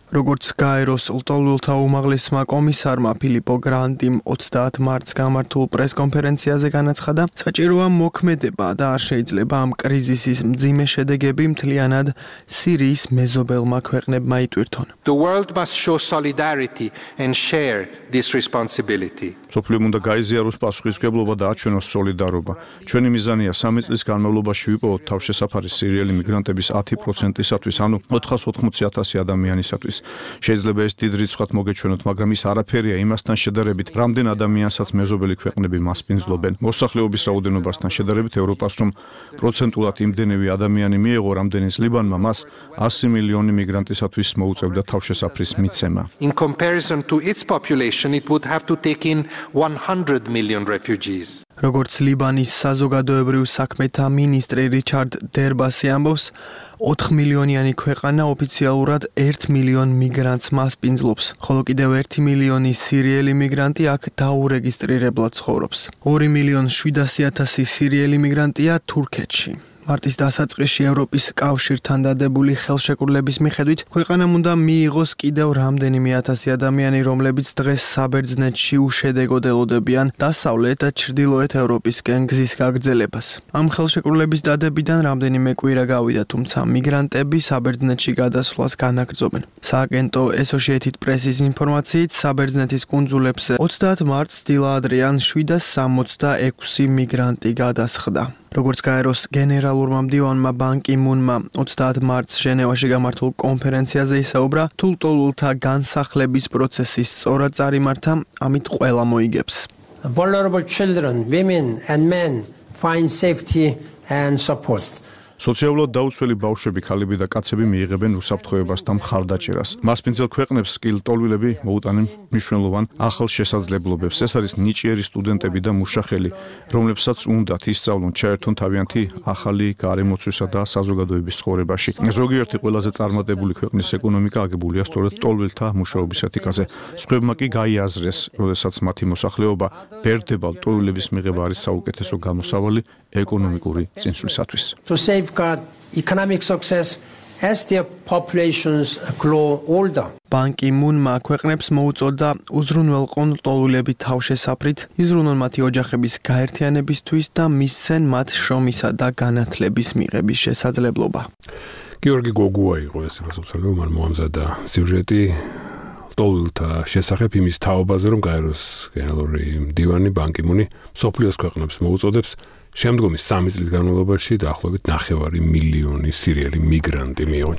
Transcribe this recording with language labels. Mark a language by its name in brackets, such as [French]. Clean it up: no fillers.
[Georgian] როგორც გაეროს ლტოლვილთა უმაღლესმა კომისარმა ფილიპო გრანდიმ 30 მარტს გამართულ პრესკონფერენციაზე განაცხადა, საჭიროა მოქმედება და არ შეიძლება ამ კრიზისის მძიმე შედეგები მთლიანად სირიის მეზობელმა ქვეყნებმა იტვირთონ. [English] The world must show solidarity and share this responsibility. [Georgian] სოფლიო უნდა გაიზიაროს პასუხისმგებლობა და აჩვენოს სოლიდარობა. ჩვენი მიზანია სამი წლის განმავლობაში ვიპოვოთ თავშესაფარი სირიელი მიგრანტების 10%-ისათვის, ანუ 480,000 ადამიანისათვის. შეიძლება ეს დიდ რიცხვად მოგეჩვენოთ, მაგრამ ის არაფერია იმასთან შედარებით, რამდენ ადამიანსაც მეზობელი ქვეყნები მასპინძლობენ. მოსახლეობის რაოდენობასთან შედარებით ევროპას რომ პროცენტულად იმდენივე ადამიანი მიიღო, რამდენის ლიბანმა მას 100 მილიონი მიგრანტისათვის მოუწევდა თავშესაფრის მიცემა. [English] In comparison to its population it would have to take in 100 million refugees. [Georgian] როგორც ლიბანის საზოგადოებრივ საქმეთა მინისტრი რიჩარდ დერბასი ამბობს, 4 მილიონიანი ქვეყანა ოფიციალურად 1 მილიონ მიგრანტს მასპინძლობს, ხოლო კიდევ 1 მილიონი სირიელი მიგრანტი აქ დაურეგისტრირებლად ცხოვრობს. 2 მილიონ 700,000 სირიელი მიგრანტია თურქეთში. მარტის დასაწყისში ევროპის კავშირთან დადებული ხელშეკრულების მიხედვით ქვეყანამ უნდა მიიღოს კიდევ რამდენიმე ათასი ადამიანი, რომლებიც დღეს საბერძნეთში უშედეგოდ ელოდებიან დასავლეთ და ჩრდილოეთ ევროპისკენ გზის გაგრძელებას. ამ ხელშეკრულების დადებიდან რამდენიმე კვირა გავიდა, თუმცა მიგრანტები საბერძნეთში გადასვლას განაგრძობენ. სააგენტო Associated Press-ის ინფორმაციით, საბერძნეთის კუნძულებს 30 მარტს დილაადრიან 766 მიგრანტი გადასხდა. როგორც გაეროს გენერალურმა მდივანმა ბან კი-მუნმა 30 მარტს ჟენევაში გამართულ კონფერენციაზე ისაუბრა, თულტოლულთა განსახლების პროცესის სწორად წარიმართა, ამით ყველა მოიგებს. [English] Vulnerable children, women and men find safety and support. [Georgian] სოციალურად დაუცველი ბავშვები, ქალები და კაცები მიიღებენ უსაფრთხოებას და მხარდაჭერას. მასპინძელ ქვეყნებს კი ლტოლვილები მოუტანენ მნიშვნელოვან ახალ შესაძლებლობებს. ეს არის ნიჭიერი სტუდენტები და მუშახელი, რომლებსაც უნდათ ისწავლონ ჩაერთონ თავიანთი ახალი გარემოცვისა და საზოგადოების ცხოვრებაში. ზოგიერთი ყველაზე წარმატებული ქვეყნის ეკონომიკა აგებულია სწორედ ლტოლვილთა მუშაობის ეთიკაზე. სხვებმა კი გაიაზრეს, როდესაც მათი მოსახლეობა ბერდება, ლტოლვილების მიღება არის საუკეთესო გამოსავალი ეკონომიკური წინსვლისათვის. [English] Safeguard economic success as their populations grow older. [Georgian] ბან კი-მუნმა ქვეყნებს მოუწოდა უზრუნველყონ ლტოლვილები თავშესაფრით, იზრუნონ მათი ოჯახების გაერთიანებისთვის და მისცენ მათ შრომისა და განათლების მიღების შესაძლებლობა. გიორგი გოგუა იყო ეს რუსულო მან მომზადა სიუჟეტი ლტოლვილთა შესახებ იმის თაობაზე, რომ გაეროს გენერალური მდივანი ბან კი-მუნი სოფლიოს ქვეყნებს მოუწოდებს შემდგომი სამი წლის განმავლობაში დაახლოებით 9 მილიონი სირიელი მიგრანტი მიიღონ.